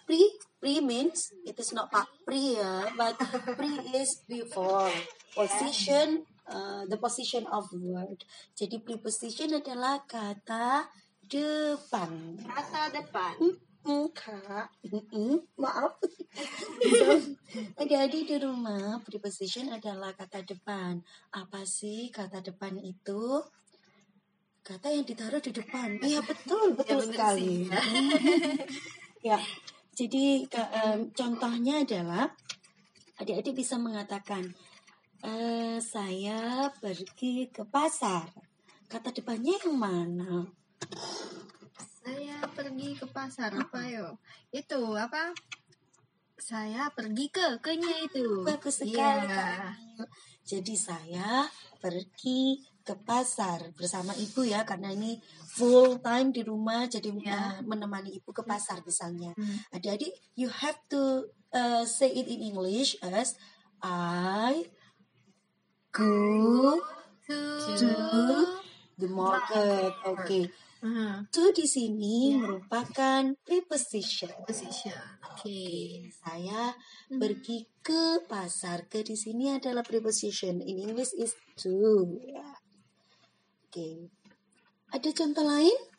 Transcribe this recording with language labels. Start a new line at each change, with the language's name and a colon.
English: Pre means it is not pre, but pre is before. Position, the position of word.
Indonesian: Jadi preposition adalah kata depan. Kata depan. Kak, maaf. Adik-adik di rumah, preposition adalah kata depan. Apa sih kata depan itu? Kata yang ditaruh di depan. Iya, betul ya, sekali. Ya. Jadi contohnya adalah adik-adik bisa mengatakan saya pergi ke pasar. Kata depannya yang mana? Saya pergi ke pasar apa yo? Itu apa? Saya pergi ke kenya itu. Bagus sekali. Yeah. Jadi saya pergi ke pasar bersama ibu ya, karena ini full time di rumah, jadi yeah. menemani ibu ke pasar misalnya.
English: Adik-adik, you have to say it in English as I go to the market.
Indonesian: Oke. To di sini yeah. merupakan preposition.
English: Preposition.
Indonesian: Oke. Okay. Saya pergi ke pasar. Ke di sini adalah preposition.
English: In English is to. Oke. Okay.
Indonesian: Ada contoh lain?